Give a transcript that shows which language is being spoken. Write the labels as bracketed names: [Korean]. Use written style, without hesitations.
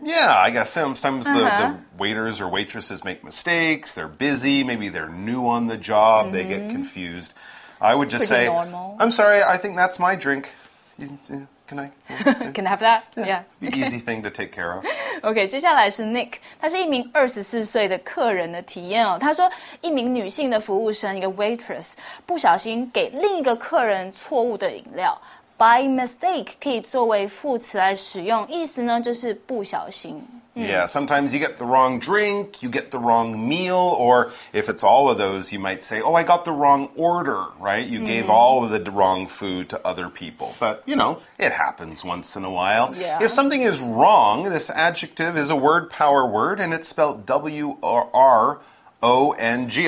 [English] Yeah, I guess sometimes uh-huh. the waiters or waitresses make mistakes. They're busy. Maybe they're new on the job. Mm-hmm. They get confused. I would just say, normal. I'm sorry, I think that's my drink. Can I? Can I have that? Yeah. Easy thing to take care of. [Chinese] OK, 接下来是 Nick, 他是一名24岁的客人的体验哦。他说一名女性的服务生，一个 waitress, 不小心给另一个客人错误的饮料。 By mistake 可以作为副词来使用，意思呢就是不小心。 [English] Yeah, sometimes you get the wrong drink, you get the wrong meal, or if it's all of those, you might say, oh, I got the wrong order, right? You gave all of the wrong food to other people. But, you know, it happens once in a while. Yeah. If something is wrong, this adjective is a word power word, and it's spelled W-R-O-N-G.